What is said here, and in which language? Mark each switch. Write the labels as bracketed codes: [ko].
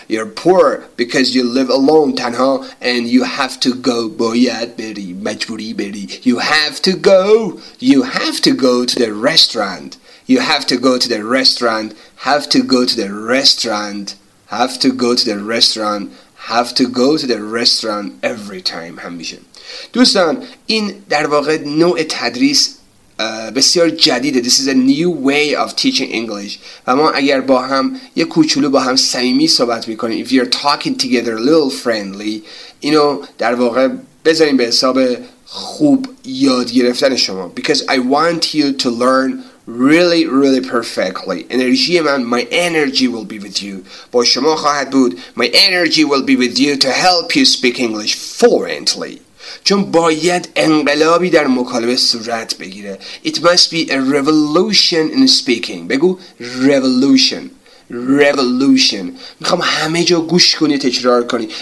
[en] You're poor because you live alone, [fa] تنها. [en] And you have to go. [fa] باید بری. مجبوری بری. [en] You have to go. You have to go to the restaurant. You have to go to the restaurant. Have to go to the restaurant. Have to go to the restaurant. Have to go to the restaurant every time. [fa] همیشه. دوستان, این در واقع نوع تدریس بسیار جدیده. [en] This is a new way of teaching English. [fa] و ما اگر با هم یه کوچولو با هم صمیمی صحبت میکنیم, [en] if you're talking together a little friendly, [fa] اینو در واقع بذاریم به حساب خوب یاد گرفتن شما. [en] Because I want you to learn really, really perfectly. [fa] انرژی من, [en] my energy will be with you. [fa] با شما خواهد بود. [en] My energy will be with you to help you speak English fluently. [fa] چون باید انقلابی در مکالمه صورت بگیره. [en] It must be a revolution in speaking. [fa] بگو [en] revolution. Revolution. [fa] میخوام همه جا گوش کنی, تکرار کنی.